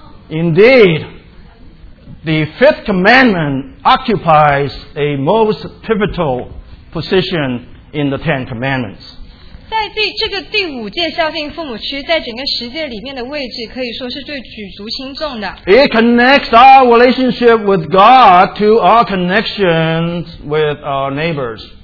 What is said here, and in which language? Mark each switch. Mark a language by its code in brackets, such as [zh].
[en] Indeed, the fifth commandment occupies a most pivotal position in the Ten Commandments. [zh] 在这个第五诫孝敬父母，其实在整个十诫里面的位置可以说是最举足轻重的。 [en] It connects our relationship with God to our connections with our neighbors.